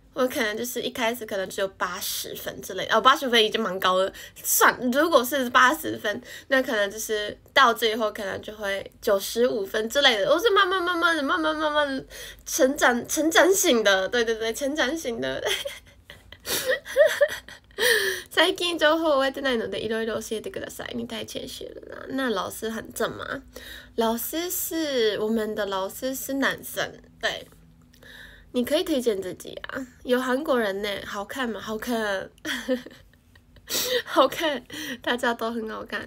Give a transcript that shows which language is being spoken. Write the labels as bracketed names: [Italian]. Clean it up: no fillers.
[Chinese] 我可能就是一开始可能只有80分之类的，哦，80分已经蛮高了。算，如果是80分，那可能就是到最后可能就会95分之类的。我是慢慢成长型的，对对对，成长型的。 [Japanese] 最近情報は出ないのでいろいろ教えてください。 [Chinese] 你太谦虚了啦。那老师很正吗？老师是我们的老师是男生，对。你可以推荐自己啊，有韩国人呢，好看吗？好看，好看，大家都很好看。